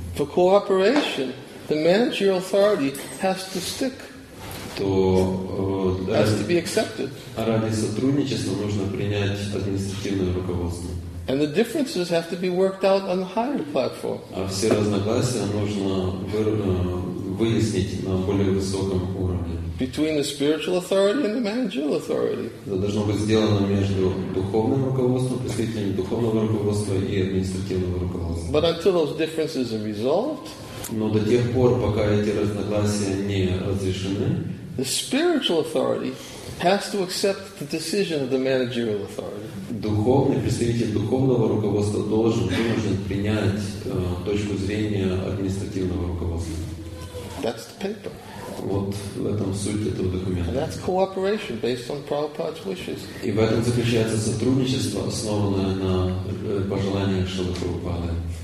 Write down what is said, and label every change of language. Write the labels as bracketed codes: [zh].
[en] for cooperation, the managerial authority has to stick. [ru] То [en] has to be accepted. [ru] Ради сотрудничества нужно принять административное руководство. [en] And the differences have to be worked out on the higher platform. [ru] А все разногласия нужно выяснить на более высоком уровне. [en] Between the spiritual authority and the managerial authority. [ru] Это должно быть сделано между духовным руководством, представителями духовного руководства и административного руководства. [en] But until those differences are resolved, [ru] но до тех пор, пока эти разногласия не разрешены, [en] the spiritual authority has to accept the decision of the managerial authority. [ru] Духовный представитель духовного руководства должен принять точку зрения административного руководства. [en] That's the paper. [ru] Вот в этом суть этого документа. [en] And that's cooperation based on Prabhupada's wishes. [ru] И в этом заключается сотрудничество, основанное на пожеланиях Шрилы Прабхупады.